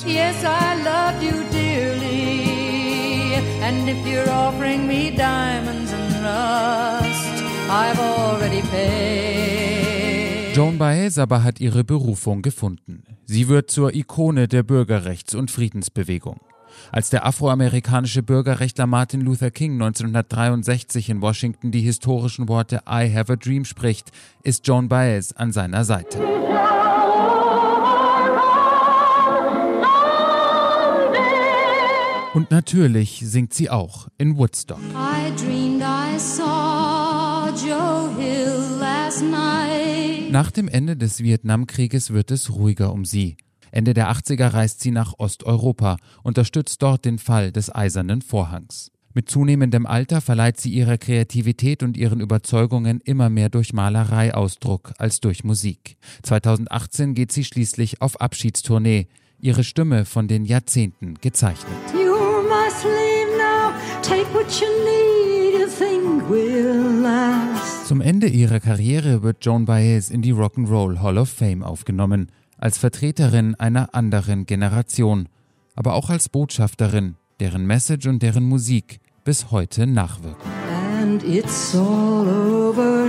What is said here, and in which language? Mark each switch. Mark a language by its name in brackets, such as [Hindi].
[English] Yes, I love you dearly, and if you're offering me diamonds and rust, I've already paid. [German] Joan Baez aber hat ihre Berufung gefunden. Sie wird zur Ikone der Bürgerrechts- und Friedensbewegung. Als der afroamerikanische Bürgerrechtler Martin Luther King 1963 in Washington die historischen Worte » [English] I have a dream« [German] spricht, ist Joan Baez an seiner Seite. Und natürlich singt sie auch in Woodstock. [English] I dreamed I saw Joe Hill last night. [German] Nach dem Ende des Vietnamkrieges wird es ruhiger um sie. Ende der 80er reist sie nach Osteuropa, unterstützt dort den Fall des Eisernen Vorhangs. Mit zunehmendem Alter verleiht sie ihrer Kreativität und ihren Überzeugungen immer mehr durch Malerei Ausdruck als durch Musik. 2018 geht sie schließlich auf Abschiedstournee, ihre Stimme von den Jahrzehnten gezeichnet. [English] You must leave now, take what you need, you think we'll last. [German] Zum Ende ihrer Karriere wird Joan Baez in die Rock'n'Roll Hall of Fame aufgenommen, als Vertreterin einer anderen Generation, aber auch als Botschafterin, deren Message und deren Musik bis heute nachwirken. [English] And it's all over